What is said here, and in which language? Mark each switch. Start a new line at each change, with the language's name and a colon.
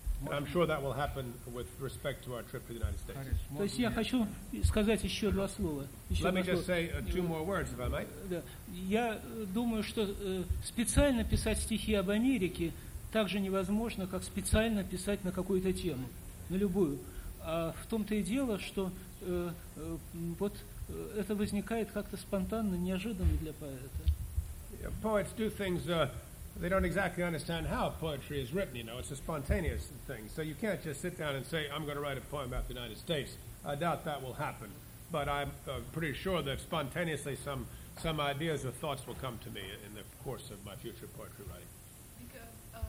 English: And I'm sure that will happen with respect to our trip to the United States.
Russian: То есть я хочу сказать еще два слова.
English: Let me just say two more words, if I might.
Russian: Я думаю, что специально писать стихи об Америке так же невозможно, как специально писать на какую-то тему, на любую. А в том-то и дело, что вот это возникает как-то спонтанно, неожиданно для поэта.
English: Poets do things... They don't exactly understand how poetry is written, you know. It's a spontaneous thing. So you can't just sit down and say, I'm going to write a poem about the United States. I doubt that will happen. But I'm pretty sure that spontaneously some ideas or thoughts will come to me in the course of my future poetry writing.